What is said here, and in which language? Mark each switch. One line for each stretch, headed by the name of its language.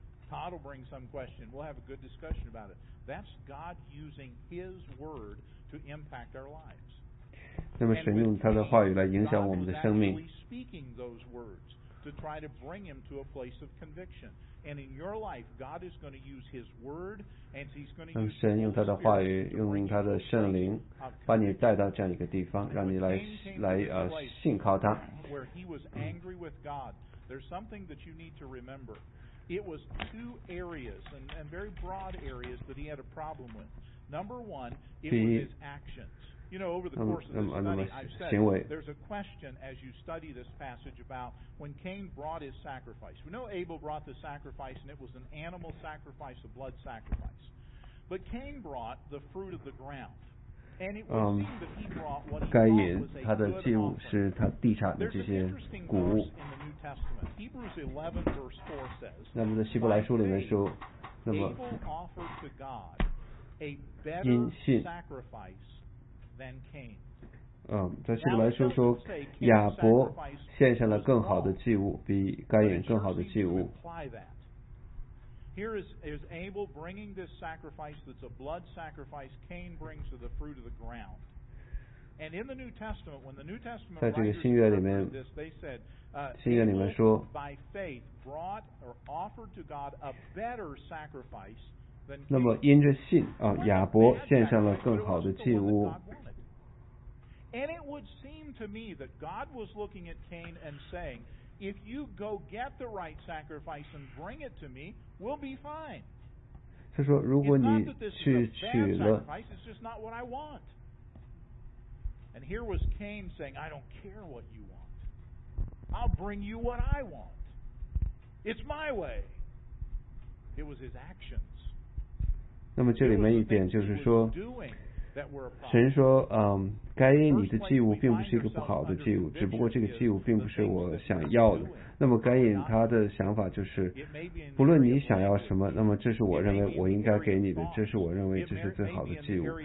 English: Todd will bring some question. We'll have a good discussion about it. That's God using His word to impact our lives.
Chinese: 那么神用他的话语来影响我们的生命。
English: God is actually speaking those words to try to bring him to a place of conviction. And in your life, God is going to use His word, and He's going to use.
Chinese: 那么神用他的话语，用他的圣灵，把你带到这样一个地方，让你来信靠他。
English: Where he was angry with God, there's something that you need to remember. It was two areas and very broad areas that he had a problem with. Number one, it was his actions. You know, over the course of this study, I've said there's a question as you study this passage about when Cain brought his sacrifice. We know Abel brought the sacrifice, and it was an animal sacrifice, a blood sacrifice. But Cain brought the fruit of the ground. And it was seen that he brought what he thought was a good offering. There's an interesting verse in the New Testament. Hebrews 11 verse 4 says,
Chinese: 那么在希伯来书里面说，那么
English: Abel offered to God a better sacrifice than Cain.
Chinese: 在希伯来书说，亚伯献上了更好的祭物，比该隐更好的祭物。
English: Here is Abel bringing this sacrifice that's a blood sacrifice Cain brings to the fruit of the ground. And in the New Testament, when the New Testament writers heard this, they said, Abel by faith brought or offered to God a better sacrifice than Cain.
Chinese: 那么因着信啊，亚伯献上了更好的祭物。
English: And it would seem to me that God was looking at Cain and saying,If you go get the right sacrifice and bring it to me, we'll be fine.
Chinese: 他说，如果你去取了
English: sacrifice, it's just not what I want. And here was Cain saying, I don't care what you want. I'll bring you what I want. It's my way. It was his actions.
Chinese: 那么这里面一点就是说，神说，该隐你的祭物并不是一个不好的祭物，只不过这个祭物并不是我想要的。那么该隐他的想法就是，不论你想要什么，那么这是我认为我应该给你的，这是我认为这是最好的祭物。